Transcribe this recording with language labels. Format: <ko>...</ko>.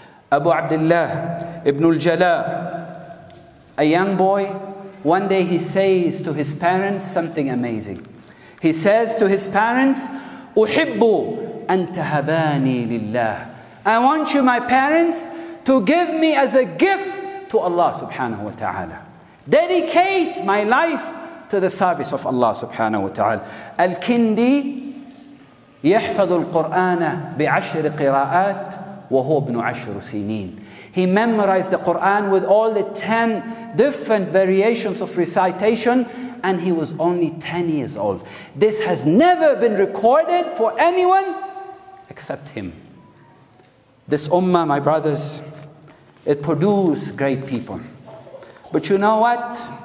<en>Abu Abdullah ibn al-Jala, a young boy, one day he says to his parents something amazing. He says to his parents,</en> <ar>"Uhibbu an tahabani lillah."</ar> <en>I want you, my parents, to give me as a gift to Allah subhanahu wa ta'ala. Dedicate my life to the service of Allah subhanahu wa ta'ala.</en> <ar>Al-Kindi يحفظ القرآن بعشر قراءات وهو ابن عشر سنين.</ar> <en>He memorized the Quran with all the 10 different variations of recitation, and he was only 10 years old. This has never been recorded for anyone except him. This ummah, my brothers, it produced great people. But you know what?</en>